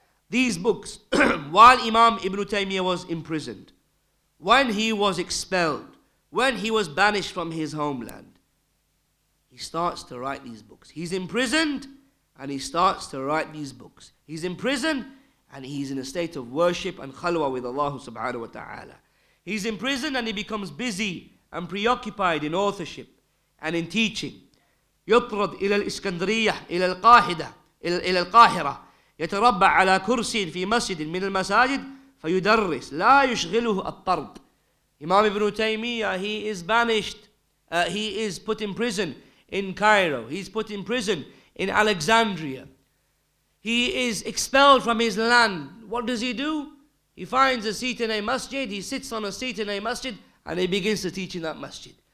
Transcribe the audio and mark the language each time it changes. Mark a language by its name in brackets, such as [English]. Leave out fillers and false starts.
[English] These books, while Imam Ibn Taymiyyah was imprisoned, when he was expelled, when he was banished from his homeland, he starts to write these books. He's imprisoned and he starts to write these books. He's imprisoned and he's in a state of worship and khalwa with Allah subhanahu wa ta'ala. He's in prison and he becomes busy and preoccupied in authorship and in teaching. [Arabic] يطرد إلى الإسكندرية إلى القاهدة إلى القاهرة يتربع على كرسي في مسجد من المساجد فيدرس لا يشغله الطرد. [English] Imam Ibn Taymiyyah, he is banished. He is put in prison in Cairo. He's put in prison in Alexandria. He is expelled from his land. What does he do? He finds a seat in a masjid. He sits on a seat in a masjid and he begins to teach in that masjid.